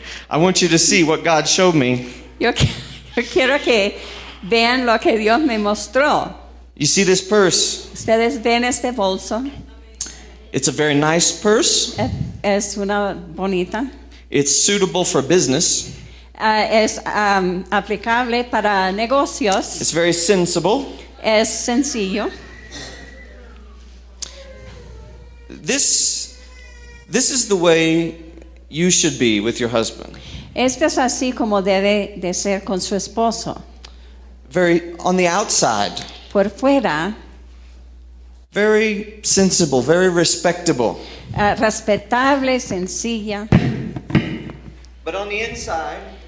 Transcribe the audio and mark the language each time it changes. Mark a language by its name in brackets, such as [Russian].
[English] I want you to see what God showed me. [Spanish] Yo quiero que vean lo que Dios me mostró. [English] You see this purse? [Spanish] Ustedes ven este bolso. [English] It's a very nice purse. [Spanish] Es una bonita. [English] It's suitable for business. [Spanish] Es aplicable para negocios. [English] It's very sensible. [Spanish] Es sencillo. [English] This is the way you should be with your husband. [Spanish] Esto es así como debe de ser con su esposo. [English] Very on the outside. [Spanish] Por fuera. [English] Very sensible, very respectable. [Spanish] Respetable, sencilla. [English] But on the inside.